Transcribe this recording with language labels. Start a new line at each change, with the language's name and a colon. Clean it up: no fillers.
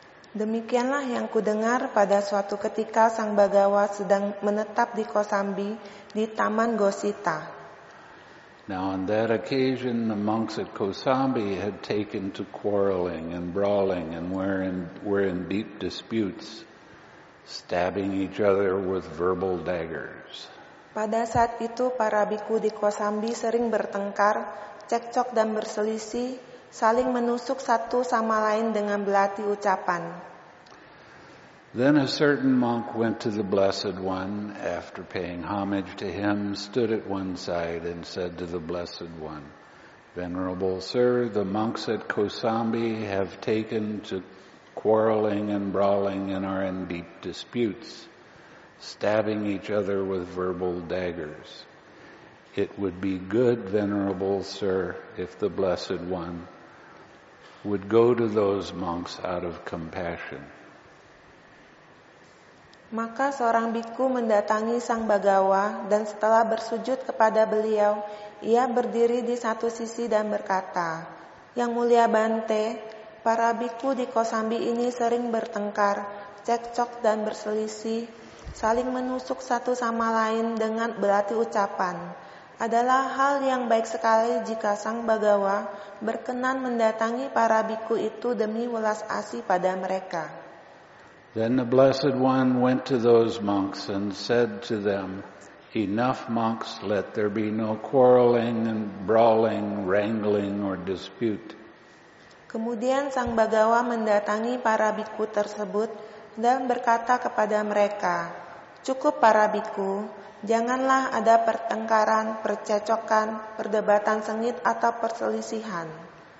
Indonesian: Demikianlah yang kudengar pada suatu ketika Sang Bhagawa sedang menetap di Kosambi di Taman Gosita.
English: Now on that occasion the monks at Kosambi had taken to quarreling and brawling and were in deep disputes, stabbing each other with verbal daggers.
Indonesian: Pada saat itu para bhikkhu di Kosambi sering bertengkar, cekcok dan berselisih, saling menusuk satu sama lain dengan belati ucapan.
English: Then a certain monk went to the Blessed One after paying homage to him, stood at one side and said to the Blessed One, "Venerable Sir, the monks at Kosambi have taken to quarreling and brawling and are in deep disputes, stabbing each other with verbal daggers. It would be good, Venerable Sir, if the Blessed One would go to those monks out of compassion."
Indonesian: Maka seorang bhikkhu mendatangi Sang Bhagawa dan setelah bersujud kepada beliau, ia berdiri di satu sisi dan berkata, "Yang mulia Bante, para bhikkhu di Kosambi ini sering bertengkar, cekcok dan berselisih, saling menusuk satu sama lain dengan belati ucapan. Adalah hal yang baik sekali jika Sang Bhagawa berkenan mendatangi para bhikkhu itu demi welas asih pada mereka."
English: Then the Blessed One went to those monks and said to them, "Enough monks, let there be no quarreling and brawling, wrangling or dispute."
Indonesian: Kemudian Sang Bhagawa mendatangi para bhikkhu tersebut dan berkata kepada mereka, "Cukup para bhikkhu, janganlah ada pertengkaran, percecokan, perdebatan sengit atau perselisihan."